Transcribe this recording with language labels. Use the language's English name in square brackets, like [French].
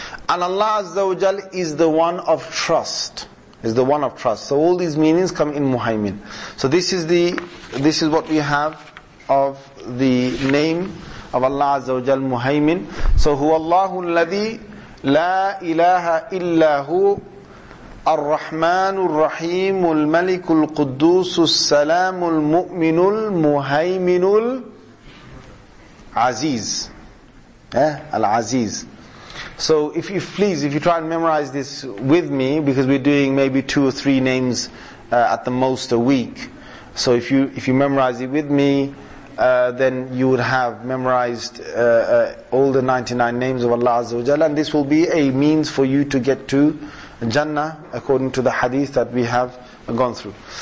[English] And Allah Azza wa Jal is the one of trust. So all these meanings come in Muhaimin. So this is what we have of the name of Allah Azza wa Jal, Muhaimin. [Arabic] So huwa Allahu alladhi la ilaha illa hu. الرحمن الرحيم الملك القدوس السلام المؤمن المهيمن العزيز. [English] Yeah, العزيز. So if you try and memorize this with me, because we're doing maybe two or three names at the most a week. So if you memorize it with me, then you would have memorized all the 99 names of Allah Azza wa Jalla, and this will be a means for you to get to Jannah, according to the hadith that we have gone through.